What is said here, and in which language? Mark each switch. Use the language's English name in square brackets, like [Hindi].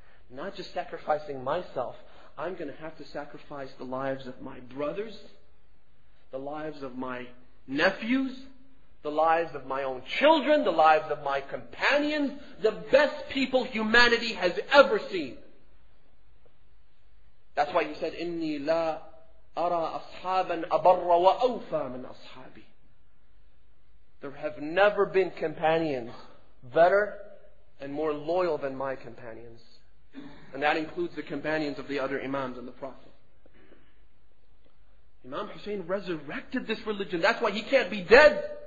[English] Not just sacrificing myself, I'm going to have to sacrifice the lives of my brothers, the lives of my nephews, the lives of my own children, the lives of my companions, the best people humanity has ever seen. [Arabic] That's why he said, إِنِّي لَا أَرَى أَصْحَابًا أَبَرَّ وَأَوْفَى مِنْ أَصْحَابِي. [English] There have never been companions better and more loyal than my companions. And that includes the companions of the other Imams and the Prophet. Imam Hussein resurrected this religion. That's why he can't be dead.